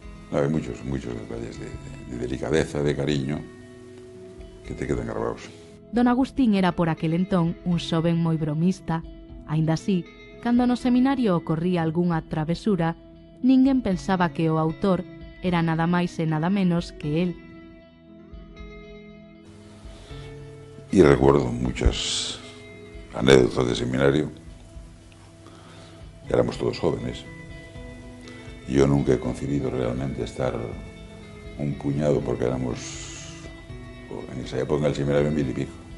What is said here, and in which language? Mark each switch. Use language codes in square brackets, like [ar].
[es] No, hay muchos detalles de delicadeza, de cariño, que te quedan grabados. [gl] Don Agustín era por aquel entón un xoven moi bromista. Ainda así, cando no seminario ocorría algunha travesura, ninguén pensaba que o autor era nada máis e nada menos que él. [es] E recuerdo muchas anécdotas de seminario. Éramos todos jóvenes. Yo nunca he conseguido realmente estar un puñado, porque éramos, en esa época, en el seminario, 1000 y pico.